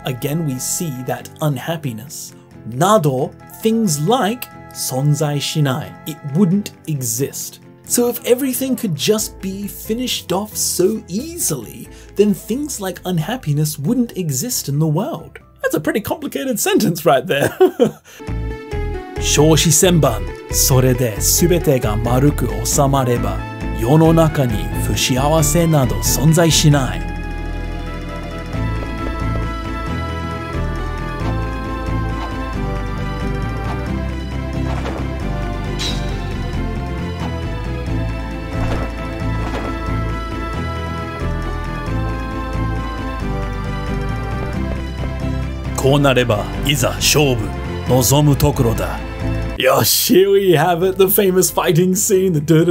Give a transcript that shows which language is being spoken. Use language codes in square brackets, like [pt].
[en] again we see that unhappiness. [ja] など, [en] things like [ja] 存在しない. [en] It wouldn't exist. So if everything could just be finished off so easily, then things like unhappiness wouldn't exist in the world. That's a pretty complicated sentence right there. [ja] 少子千番、それで全てが丸く収まれば、世の中に不幸せなど存在しない。こうなればいざ勝負、望むところだ。 [en] よし、here we have it, the famous fighting scene.